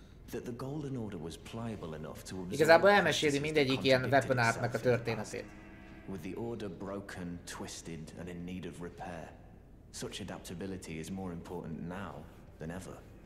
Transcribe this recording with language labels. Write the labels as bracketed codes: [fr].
[en] That the Golden Order was pliable enough to absorb. [hu] Igazából elmeséli mindegyik ilyen weapon artnak a történetét. [en] With the order broken, twisted, and in need of repair, such adaptability is more important now than ever.